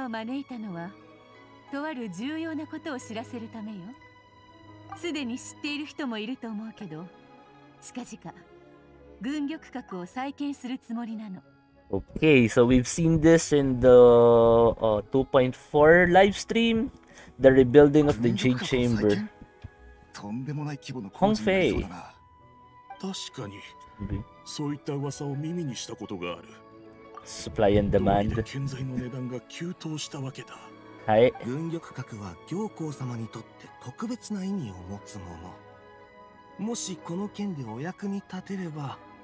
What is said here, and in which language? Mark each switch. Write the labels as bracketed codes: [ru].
[ja] とある重要なことを知らせるためよ。すでに知っている人もいると思うけど、近々軍玉閣を再建するつもりなの。 [en] Okay, so we've seen this in the 2.4 live stream, the rebuilding of the Jade Chamber. [ja] とんでもない規模の工事になりそうだな。確かに、そういった噂を耳にしたことがある。 [en] Supply and demand. [ja] 現在の値段が急騰したわけだ。はい、軍玉閣は行幸様にとって特別な意味を持つもの。もしこの件でお役に立てれば。